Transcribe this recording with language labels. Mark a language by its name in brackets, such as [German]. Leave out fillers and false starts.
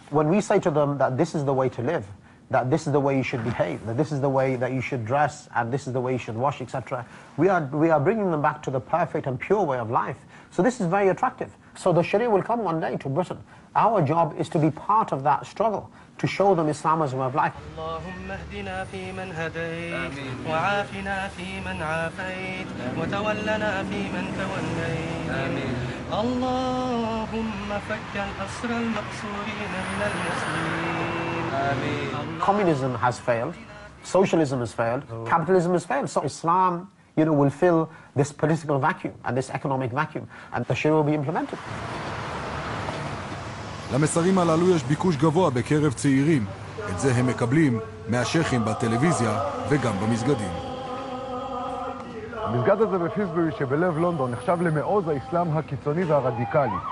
[English] When we say to them that this is the way to live, that this is the way you should behave, that this is the way that you should dress, and this is the way you should wash, etc., we are bringing them back to the perfect and pure way of life. So this is very attractive. So the Sharia will come one day to Britain. Our job is to be part of that struggle, to show them Islam as a way of life. [Arabic] اللهم اهدنا في من هديت وعافنا في من عافيت وتولنا في من توليت اللهم فكل أسر المقصورين من المسلمين. [English] Communism has failed, socialism has failed, capitalism has failed, so Islam, you know, will fill this political vacuum and this economic vacuum, and the Sharia will be implemented. [Hebrew] למסרים הללו יש ביקוש גבוה בקרב צעירים. את זה הם מקבלים מהשייחים בטלוויזיה וגם במסגדים. המסגד הזה בפיסברי שבלב לונדון נחשב למעוז האסלאם הקיצוני והרדיקלי.